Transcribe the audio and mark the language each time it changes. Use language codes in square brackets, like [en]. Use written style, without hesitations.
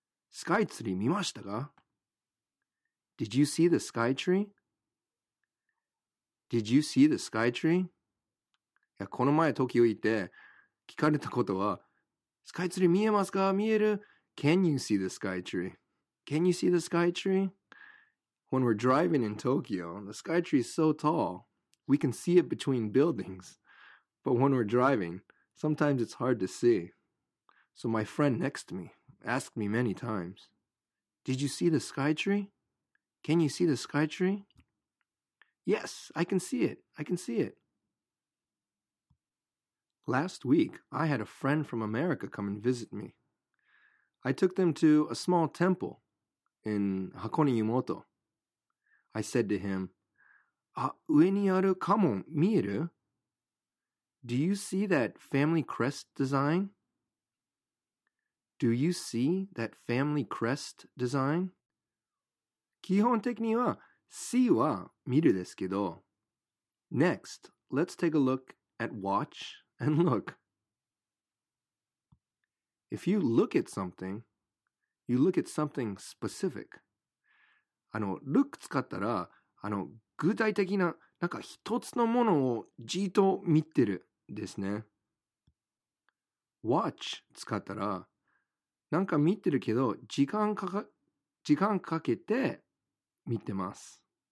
[ja] スカイツリー見ましたか? [en] Did you see the sky tree? Did you see the sky tree? [ja] いや、この前東京行って聞かれたことは、スカイツリー見えますか? 見える? [en] Can you see the sky tree? Can you see the sky tree? When we're driving in Tokyo, the sky tree is so tall, we can see it between buildings. But when we're driving, sometimes it's hard to see. So my friend next to me asked me many times, Did you see the sky tree? Can you see the sky tree? Yes, I can see it. I can see it. Last week, I had a friend from America come and visit me. I took them to a small temple in Hakone Yumoto. I said to him, [ja] "Ueni aru kamon mieru? [en] Do you see that family crest design? Do you see that family crest design?" [ja] 基本的には、See は見るですけど。 [en] Next, let's take a look at watch and look. If you look at something, you look at something specific. [ja] Look 使ったら、具体的な、なんか一つのものをじっと見てるですね。 Watch 使ったら、なんか見てるけど、時間かけて見てます。